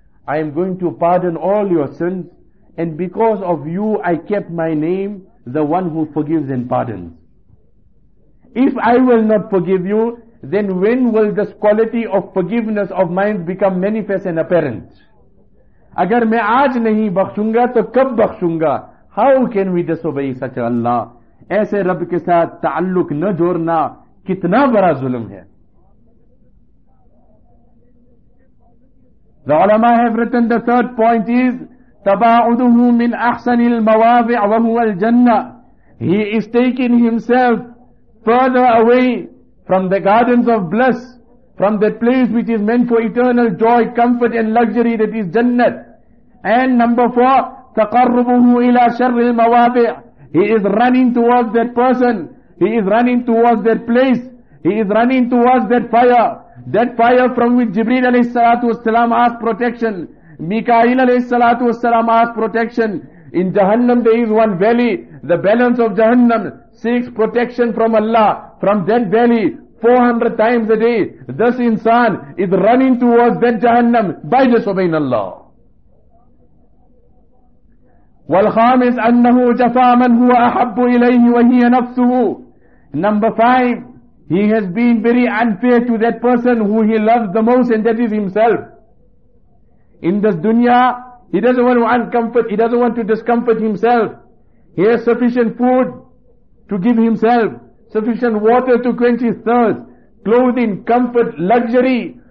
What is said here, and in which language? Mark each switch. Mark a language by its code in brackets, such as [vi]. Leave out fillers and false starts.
[en] I am going to pardon all your sins, and because of you I kept my name, the one who forgives and pardons. If I will not forgive you, then when will this quality of forgiveness of mine become manifest and apparent? [ur] اگر میں آج نہیں بخشوں گا تو کب بخشوں گا. [en] How can we disobey such Allah? [ur] ایسے رب کے ساتھ تعلق نہ جورنا کتنا برا ظلم ہے. [en] The ulama have written, the third point is [ar] تَبَاعُدُهُ مِنْ أَحْسَنِ الْمَوَاضِعُ وَهُوَ الْجَنَّةِ. [en] He is taking himself further away from the gardens of bliss, from that place which is meant for eternal joy, comfort and luxury, that is Jannat. And number four, [ar] تَقَرُّبُهُ إِلَى شَرِّ الْمَوَاضِعِ. [en] He is running towards that person. He is running towards that place. He is running towards that fire. That fire from which Jibreel alayhi salatu wasalam asked protection. Mikail alayhi salatu wasalam asked protection. In Jahannam there is one valley, the balance of Jahannam seeks protection from Allah. From that valley, 400 times a day, this insan is running towards that Jahannam by disobeying Allah. [ar] والخامس أنه جفا من هو أحب إليه وهي نفسه. [en] Number five, he has been very unfair to that person who he loves the most, and that is himself. In this dunya, he doesn't want to uncomfort, he doesn't want to discomfort himself. He has sufficient food to give himself, sufficient water to quench his thirst, clothing, comfort, luxury.